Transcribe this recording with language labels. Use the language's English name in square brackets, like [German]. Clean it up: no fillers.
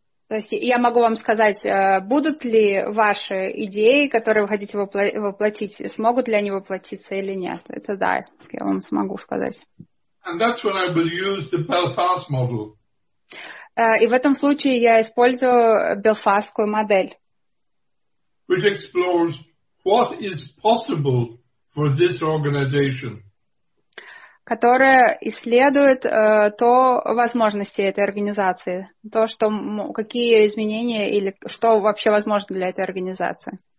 [Russian] Я могу вам сказать, будут ли ваши идеи, которые вы хотите воплотить, смогут ли они воплотиться или нет. Это да, я вам смогу сказать. [English] And that's when I will use the Belfast model. [Russian] И в этом случае я использую белфастскую модель. [English] Which explores what is possible for this organization. [Russian] Которая исследует то возможности этой организации, то, что какие изменения или что вообще возможно для этой организации.